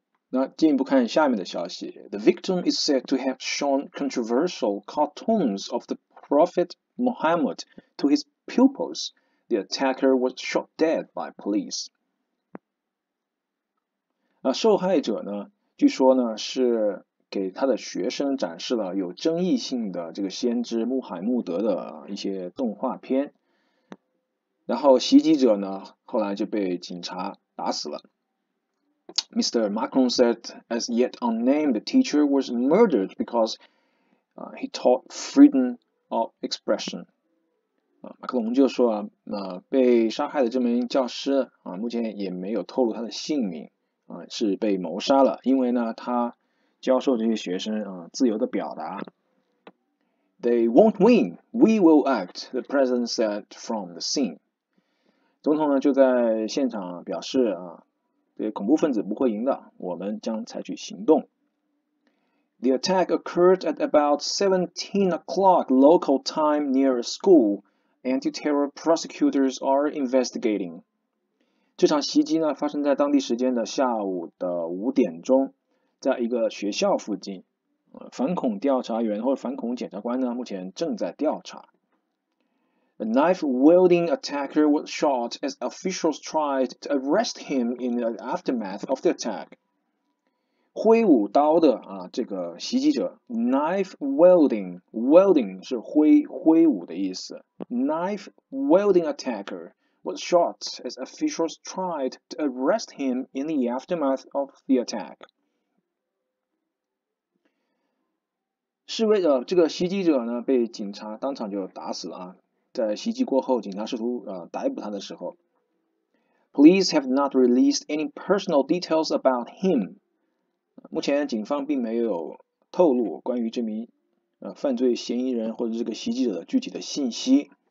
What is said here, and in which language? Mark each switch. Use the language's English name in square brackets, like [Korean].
[Chinese] 那进一步看下面的消息， [English] The victim is said to have shown controversial cartoons of the Prophet Muhammad to his pupils. The attacker was shot dead by police。 [Chinese] 啊，受害者呢，据说呢是给他的学生展示了有争议性的这个先知穆罕默德的一些动画片，然后袭击者呢后来就被警察打死了。 [English] Mr. Macron said, as yet unnamed, the teacher was murdered because he taught freedom of expression。 [Chinese] 马克龙就说被杀害的这名教师目前也没有透露他的姓名是被谋杀了，因为呢他教授这些学生自由的表达。 [English] They won't win, we will act, the president said from the scene。 [Chinese] 总统呢就在现场表示这些恐怖分子不会赢的，我们将采取行动。 [English] The attack occurred at about 17 o'clock local time near a school. Anti-terror prosecutors are investigating。 [Chinese] 这场袭击呢，发生在当地时间的下午的5点钟。在一个学校附近，反恐调查员或者反恐检察官呢，目前正在调查。 [English] A knife-wielding attacker was shot as officials tried to arrest him in the aftermath of the attack。 [Chinese] 挥舞刀的这个袭击者，knife-wielding，wielding 是挥舞的意思。 [English] Knife-wielding attacker was shot as officials tried to arrest him in the aftermath of the attack。 [Chinese] 示威者，这个袭击者呢，被警察当场就打死了。在袭击过后，警察试图逮捕他的时候， [English] Police have not released any personal details about him。 [Chinese] 目前警方并没有透露关于这名犯罪嫌疑人或者这个袭击者的具体的信息。